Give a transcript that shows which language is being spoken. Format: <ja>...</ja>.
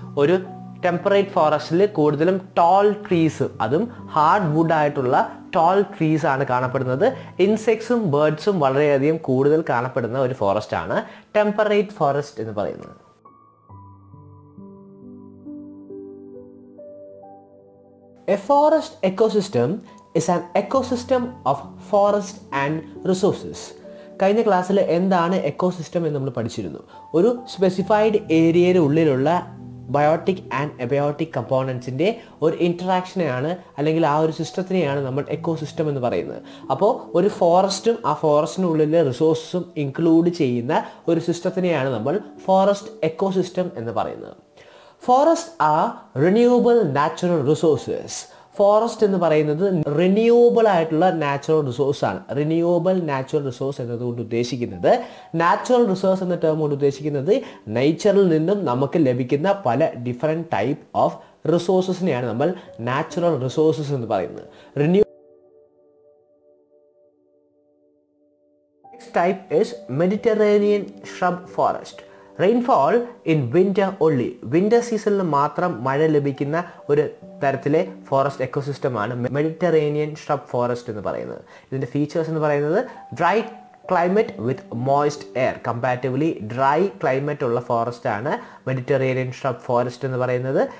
<ml>ഒരു ടെമ്പറേറ്റ് ഫോറസ്റ്റിൽ കൂടുതലും toll trees, അതും ഹാർഡ് വുഡായിട്ടുള്ള ടോൾ ട്രീസ് ആണ് കാണപ്പെടുന്നത്. ഇൻസെക്ട്സും ബേർഡ്സും വളരെയധികം കൂടുതൽ കാണപ്പെടുന്ന ഒരു ഫോറസ്റ്റാണ് ടെമ്പറേറ്റ് ഫോറസ്റ്റ് എന്ന് പറയുന്നത്.</ml> <en>A forest ecosystem is an ecosystem of forest and resources.</en> <ml>കഴിഞ്ഞ ക്ലാസ്സിൽ എന്താണ് എക്കോസിസ്റ്റം എന്ന് നമ്മൾ പഠിച്ചിരുന്നു. ഒരു സ്പെസിഫൈഡ് ഏരിയയിലുള്ളിലുള്ള ബയോട്ടിക് ആൻഡ് അബയോട്ടിക് കമ്പോണൻസിൻ്റെ ഒരു ഇൻട്രാക്ഷനെയാണ് അല്ലെങ്കിൽ ആ ഒരു സിസ്റ്റത്തിനെയാണ് നമ്മൾ എക്കോസിസ്റ്റം എന്ന് പറയുന്നത്. അപ്പോൾ ഒരു ഫോറസ്റ്റും ആ ഫോറസ്റ്റിനുള്ളിലെ റിസോഴ്സസും ഇൻക്ലൂഡ് ചെയ്യുന്ന ഒരു സിസ്റ്റത്തിനെയാണ് നമ്മൾ ഫോറസ്റ്റ് എക്കോസിസ്റ്റം എന്ന് പറയുന്നത്.</ml> <en>Forests are renewable natural resources.</en> <ml>Forest എന്ന് പറയുന്നത് റിന്യൂവബിൾ ആയിട്ടുള്ള നാച്ചുറൽ റിസോഴ്സാണ്. റിന്യൂവബിൾ നാച്ചുറൽ റിസോഴ്സ് എന്നതുകൊണ്ട് ഉദ്ദേശിക്കുന്നത്, നാച്ചുറൽ റിസോഴ്സ് എന്ന ടേം കൊണ്ട് ഉദ്ദേശിക്കുന്നത് നേച്ചറിൽ നിന്നും നമുക്ക് ലഭിക്കുന്ന പല ഡിഫറെൻ്റ് ടൈപ്പ് ഓഫ് റിസോഴ്സസിനെയാണ് നമ്മൾ നാച്ചുറൽ റിസോഴ്സസ് എന്ന് പറയുന്നത്.</ml> <en>Next type is Mediterranean shrub forest.</en> <ml>Rainfall in winter only, winter സീസണിൽ മാത്രം മഴ ലഭിക്കുന്ന ഒരു തരത്തിലെ ഫോറസ്റ്റ് എക്കോസിസ്റ്റമാണ് മെഡിറ്ററേനിയൻ ഷ്രബ് ഫോറസ്റ്റ് എന്ന് പറയുന്നത്. ഇതിൻ്റെ ഫീച്ചേഴ്സ് എന്ന് പറയുന്നത് ഡ്രൈ ക്ലൈമറ്റ് വിത്ത് moist air, comparatively dry climate ഉള്ള ഫോറസ്റ്റാണ് മെഡിറ്ററേനിയൻ ഷ്രബ് ഫോറസ്റ്റ് എന്ന് പറയുന്നത്.</ml>